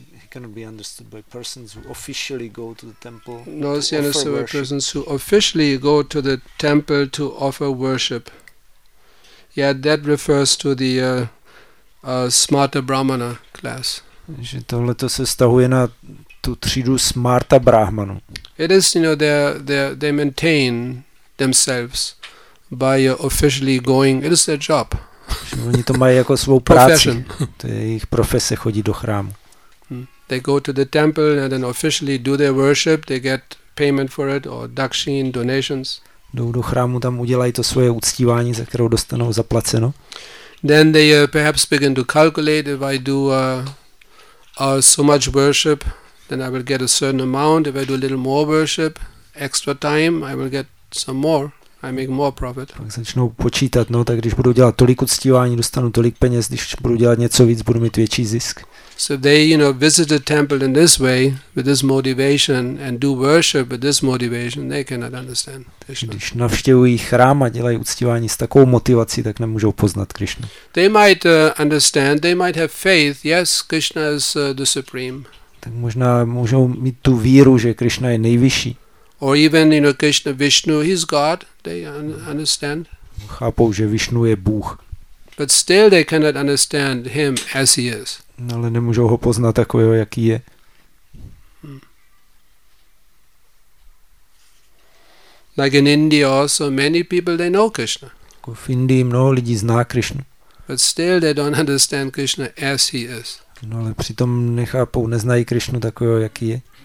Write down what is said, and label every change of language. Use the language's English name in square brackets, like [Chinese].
[English] Cannot be understood by persons who officially go to the temple. No, it's understood by persons who officially go to the temple to offer worship. Yeah, that refers to the Smarta Brahmana class. [Czech] Že tohle to se stahuje na tu třídu Smarta Brahmanu. [English] It is, you know, they maintain themselves by officially going. It is their job. [Czech] Oni to mají jako svou práci. To je jejich profese, chodí do chrámu. [English] They go to the temple and then officially do their worship. They get payment for it or dakshin, donations. [Czech] Jdou do chrámu, tam udělají to svoje uctívání, za kterou dostanou zaplaceno. [English] Then they perhaps begin to calculate, if I do so much worship, then I will get a certain amount. If I do a little more worship, extra time, I will get some more. I make more profit. [Czech] Pak začnou počítat, no, tak když budu dělat tolik uctívání, dostanu tolik peněz, když budu dělat něco víc, budu mít větší zisk. [English] So they, you know, visit the temple in this way with this motivation and do worship with this motivation, they cannot understand. [Czech] Když navštěvují chrám a dělají uctívání s takovou motivací, tak nemůžou poznat Krishnu. [English] They might understand, they might have faith. Yes, Krishna is the supreme. [Czech] Tak možná můžou mít tu víru, že Krishna je nejvyšší. [English] Or even, you know, Krishna Vishnu, he's God. They understand. [Czech] Chápou, že Vishnu je Bůh. [English] But still they cannot understand him as he is. [Czech] No, ale nemůžou ho poznat takového, jaký je. [English] Like in India also, many people, they know Krishna. [Czech] Jako v Indii mnoho lidí zná Krišnu. [English] But still they don't understand Krishna as he is. [Czech] No, ale přitom nechápou, neznají Krišnu takového, jaký je.